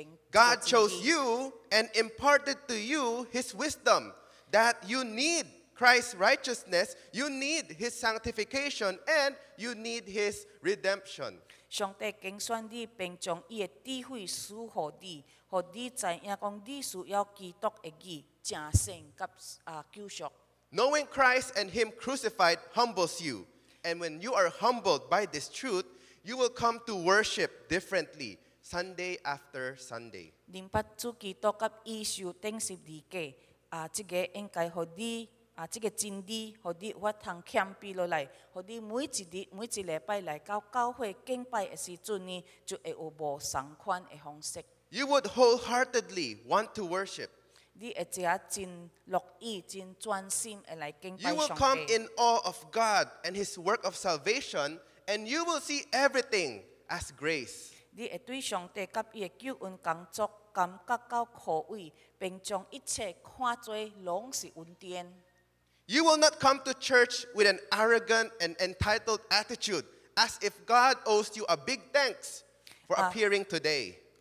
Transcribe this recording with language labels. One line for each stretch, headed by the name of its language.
English: God chose you and imparted to you His wisdom that you need Christ's righteousness, you need His sanctification, and you need His redemption.
Min Nan Chinese: 上帝拣选你，并将伊的智慧赐予你，予你知影讲你需要基督的义、正圣甲救赎。
English: Knowing Christ and Him crucified humbles you, and when you are humbled by this truth,you will come to worship differently, Sunday after Sunday.
Min Nan Chinese: 认捌主基督甲伊受钉十字架，这个应该予你这个真理，予你有法通谦卑落来，予你每一日、每一礼拜来到教会敬拜的时阵呢，就会有无相款的方式。
English: You would wholeheartedly want to worship.
Min Nan Chinese: 你会只真乐意、真专心的来敬拜上帝。
English: You will come in awe of God and His work of salvation. And you will see everything as grace.
Min Nan Chinese: 你会对上帝甲伊的救恩工作感觉到可畏，并将一切看作拢是恩典。
English: You will not come to church with an arrogant and entitled attitude, as if God owes you a big thanks for appearing today.